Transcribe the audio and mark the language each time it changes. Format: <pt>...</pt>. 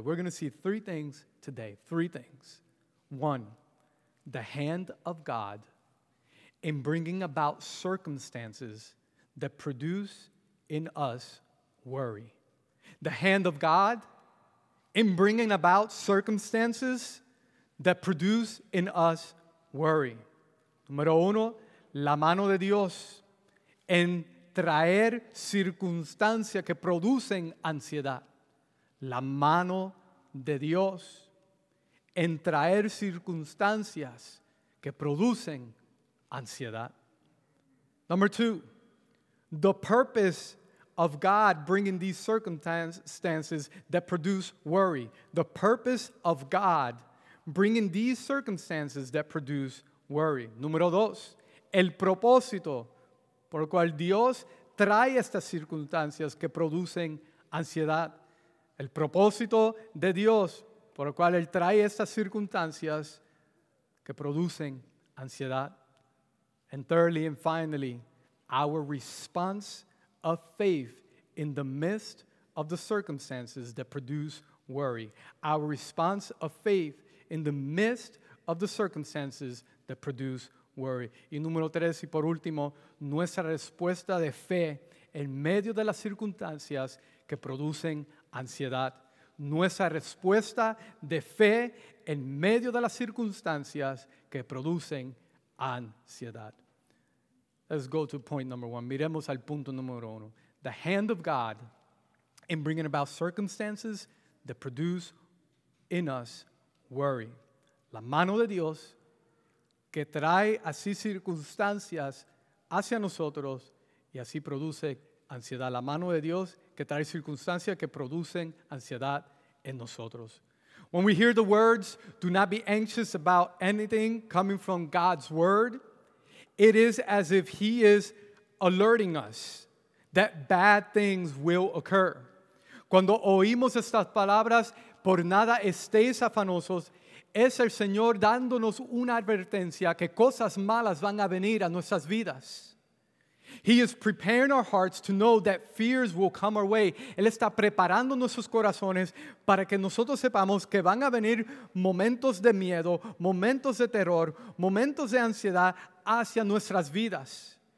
<en>We're going to see three things today, three things. One, the hand of God in bringing about circumstances that produce in us worry. The hand of God in bringing about circumstances that produce in us worry.</en> <es>Número uno, la mano de Dios en traer circunstancias que producen ansiedad. La mano de Dios en traer circunstancias que producen ansiedad.</es> <en>Number two, the purpose of God bringing these circumstances that produce worry. The purpose of God bringing these circumstances that produce worry.</en> <es>Número dos, el propósito por el cual Dios trae estas circunstancias que producen ansiedad. El propósito de Dios por lo cual Él trae estas circunstancias que producen ansiedad.</es> <en>And thirdly and finally, our response of faith in the midst of the circumstances that produce worry. Our response of faith in the midst of the circumstances that produce worry.</en> <es>Y número tres y por último, nuestra respuesta de fe en medio de las circunstancias que producen ansiedad. nuestra respuesta de fe en medio de las circunstancias que producen ansiedad.</es> <en>Let's go to point number one.</en> <es>Miremos al punto número uno.</es> <en>The hand of God in bringing about circumstances that produce in us worry.</en> <es>La mano de Dios que trae así circunstancias hacia nosotros y así produce ansiedad. La mano de Dios que trae circunstancias que producen ansiedad en nosotros.</es> <en>When we hear the words, do not be anxious about anything coming from God's word, it is as if he is alerting us that bad things will occur.</en> <es>Cuando oímos estas palabras, por nada estéis afanosos, es el Señor dándonos una advertencia que cosas malas van a venir a nuestras vidas.</es> <en>He is preparing our hearts to know that fears will come our way.</en> <es>Él está preparando nuestros corazones para que nosotros sepamos que van a venir momentos de miedo, momentos de terror, momentos de ansiedad hacia nuestras vidas.</es>